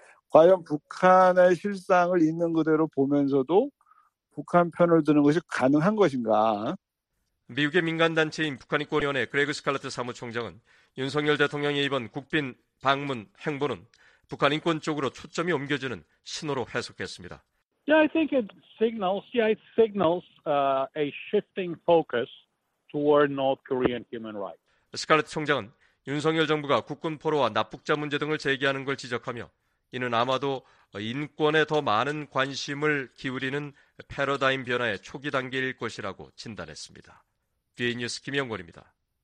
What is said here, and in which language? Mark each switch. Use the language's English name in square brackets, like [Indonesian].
[Korean] 과연 북한의 실상을 있는 그대로 보면서도 북한 편을 드는 것이 가능한 것인가? 미국의 민간단체인 북한인권위원회 그레그 스칼라트 사무총장은 윤석열 대통령의 이번 국빈 방문 행보는 북한 인권 쪽으로 초점이 옮겨지는 신호로 해석했습니다. [English] Yeah, I think it signals a shifting focus toward North Korean human rights. [Korean] 스칼렛 총장은 윤석열 정부가 국군 포로와 납북자 문제 등을 제기하는 걸 지적하며 이는 아마도 인권에 더 많은 관심을 기울이는 패러다임 변화의 초기 단계일 것이라고 진단했습니다. VN 뉴스 김영권입니다.